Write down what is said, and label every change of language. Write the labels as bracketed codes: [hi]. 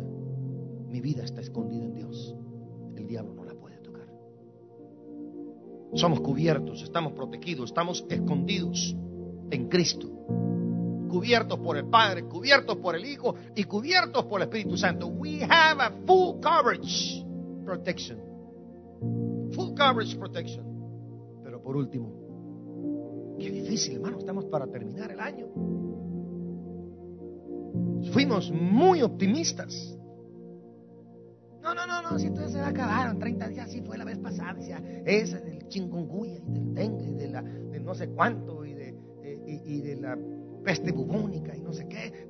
[es] Mi vida está escondida en Dios. El diablo no la puede tocar. Somos cubiertos, estamos protegidos, estamos escondidos en Cristo. Cubiertos por el Padre, cubiertos por el Hijo y cubiertos por el Espíritu Santo. [en] We have a full coverage protection. Full coverage protection. [es] Pero por último, qué difícil, hermano, estamos para terminar el año. Fuimos muy optimistas. No, si esto ya se va a acabar en 30 días, sí fue la vez pasada. Ya, esa del chingunguya y del dengue y de la de no sé cuánto y de la peste bubónica y no sé qué.